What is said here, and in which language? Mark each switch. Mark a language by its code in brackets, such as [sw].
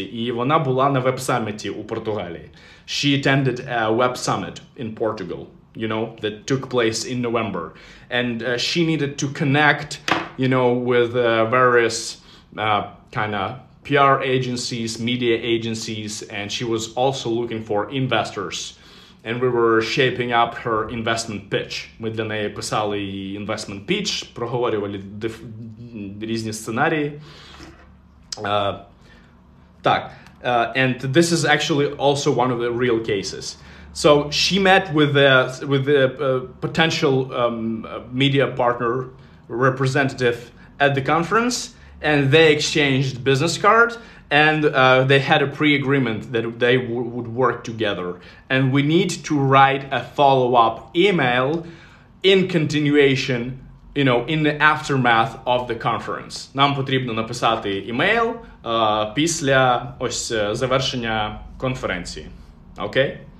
[uk] І вона була на веб-саміті у Португалії. [en] She attended a web summit in Portugal, you know, that took place in November. And she needed to connect, you know, with various kind of PR agencies, media agencies, and she was also looking for investors. And we were shaping up her investment pitch. [uk] Ми для неї писали investment pitch, проговорювали різні сценарії. [en] And this is actually also one of the real cases. So she met with a potential media partner representative at the conference, and they exchanged business card, and they had a pre-agreement that they would work together. And we need to write a follow-up email in continuation, you know, in the aftermath of the conference. [uk] Нам потрібно написати email після ось завершення конференції. [en] Okay?